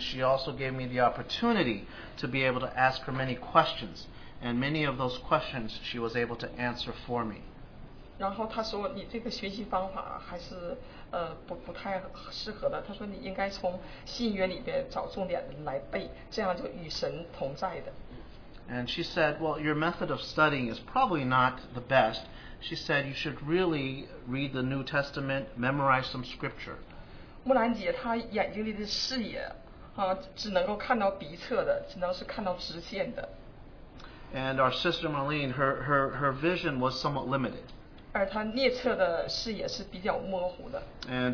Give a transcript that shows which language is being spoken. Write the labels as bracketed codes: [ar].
[en] she also gave me the opportunity to be able to ask her many questions, and many of those questions she was able to answer for me. [zh] 然后他说你这个学习方法还是不太适合的，他说你应该从信约里边找重点来背，这样就与神同在的。 [en] And she said, well, your method of studying is probably not the best. She said you should really read the New Testament, memorize some scripture. [zh] 木兰姐她眼睛里的视野只能够看到鼻侧的，只能是看到直线的。 [en] And our sister Marlene, her vision was somewhat limited. [zh] 而她内侧的视野是比较模糊的。 [en] And